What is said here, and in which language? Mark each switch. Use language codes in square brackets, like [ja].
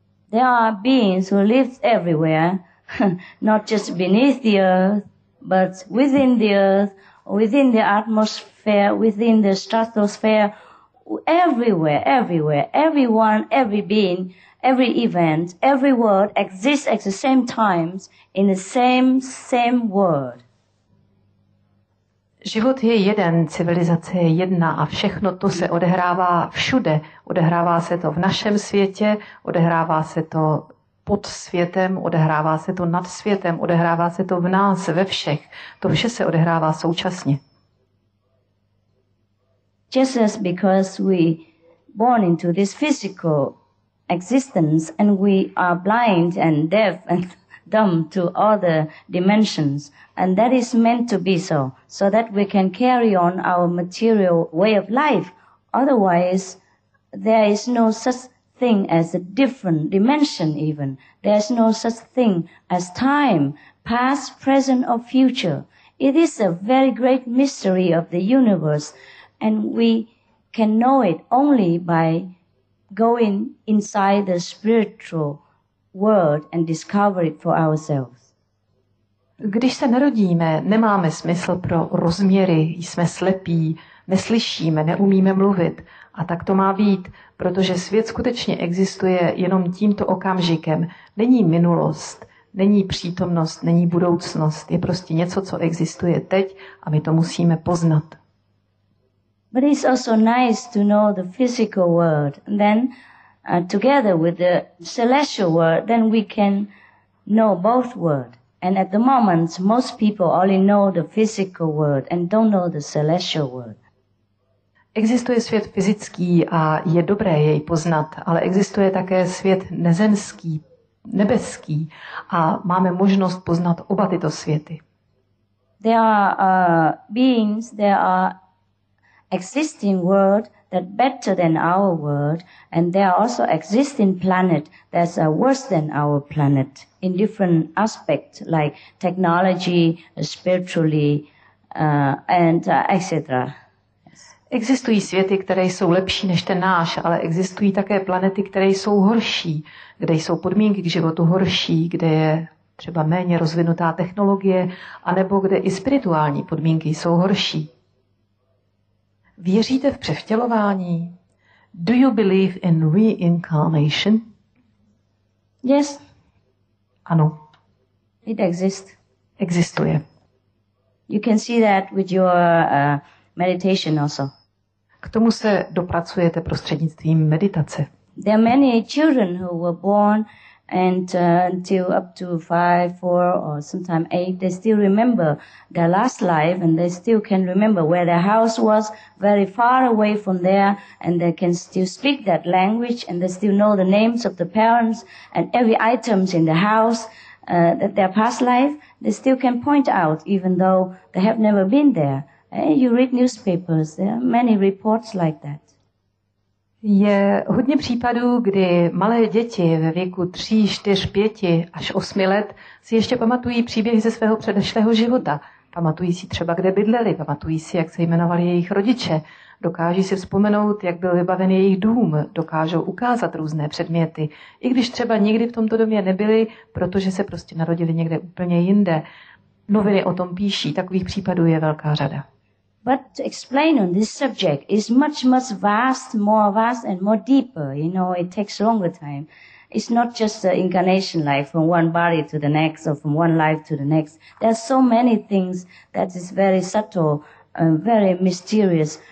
[en] There are beings who live everywhere, not just beneath the earth, but within the earth, within the atmosphere, within the stratosphere, everywhere, everyone, every being, every event, every word exists at the same times in the same world. [cs] Život je jeden, civilizace je jedna a všechno to se odehrává všude. Odehrává se to v našem světě, odehrává se to pod světem, odehrává se to nad světem, odehrává se to v nás, ve všech. To vše se odehrává současně. [en] Just as because we born into this physical existence and we are blind and deaf and dumb to other dimensions, and that is meant to be so, so that we can carry on our material way of life. Otherwise, there is no such thing as a different dimension even. There is no such thing as time, past, present, or future. It is a very great mystery of the universe, and we can know it only by going inside the spiritual world and discover it for ourselves. [cs] Když se narodíme, nemáme smysl pro rozměry, jsme slepí, neslyšíme, neumíme mluvit. A tak to má být, protože svět skutečně existuje jenom tímto okamžikem. Není minulost, není přítomnost, není budoucnost. Je prostě něco, co existuje teď a my to musíme poznat. [en] But it's also nice to know the physical world. Then together with the celestial world, then we can know both world. And at the moment, most people only know the physical world and don't know the celestial world. [cs] Existuje svět fyzický a je dobré jej poznat, ale existuje také svět nezemský, nebeský a máme možnost poznat oba tyto světy. [en] There are beings, there are existing world that better than our world, and there are also existing planet that's worse than our planet in different aspects like technology, spiritually, etc. [cs] Existují světy, které jsou lepší než ten náš, ale existují také planety, které jsou horší, kde jsou podmínky k životu horší, kde je třeba méně rozvinutá technologie, anebo kde i spirituální podmínky jsou horší. Věříte v převtělování? [en] Do you believe in reincarnation? Yes. [cs] Ano. [en] It exists. [cs] Existuje. [en] You can see that with your meditation also. [cs] K tomu se dopracujete prostřednictvím meditace. [en] There are many children who were born and until up to 5, 4 or sometimes 8, they still remember their last life and they still can remember where their house was, very far away from there, and they can still speak that language and they still know the names of the parents and every items in the house, that their past life, they still can point out even though they have never been there. You read newspapers, there are many reports like that. [cs] Je hodně případů, kdy malé děti ve věku 3, 4, 5 až 8 let si ještě pamatují příběhy ze svého předešlého života. Pamatují si třeba, kde bydleli, pamatují si, jak se jmenovali jejich rodiče. Dokáží si vzpomenout, jak byl vybaven jejich dům, dokážou ukázat různé předměty. I když třeba nikdy v tomto domě nebyli, protože se prostě narodili někde úplně jinde. Noviny o tom píší, takových případů je velká řada. [en] But to explain on this subject is much vast, more vast and more deeper. You know, it takes longer time. It's not just the incarnation life from one body to the next or from one life to the next. There are so many things that is very subtle, very mysterious.